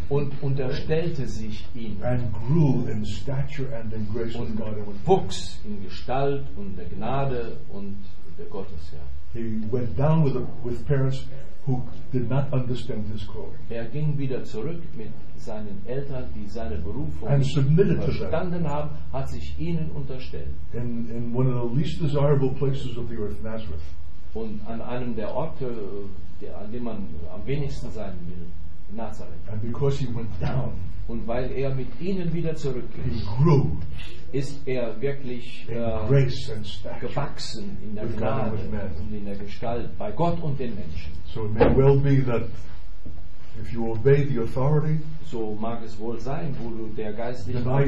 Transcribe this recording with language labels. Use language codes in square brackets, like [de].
[de] und unterstellte sich ihnen und wuchs in Gestalt und der Gnade und der Gottes. Ja. [en] He went down with parents who did not understand his calling. [de] Er ging wieder zurück mit seinen Eltern, die seine Berufung verstanden haben, hat sich ihnen unterstellt. [en] In one of the least desirable places of the earth, Nazareth. [de] Und an einem der Orte, an dem man am wenigsten sein will, Nazareth. [en] And because he went down, [de] und weil er mit ihnen wieder zurückging, [en] he grew, [de] ist er wirklich [en] grace and stature, [de] gewachsen in der Gnade und in der Gestalt bei Gott und den Menschen. [en] So it may well be that if you obey the authority, [de] so mag es wohl sein, wo du der geistlichen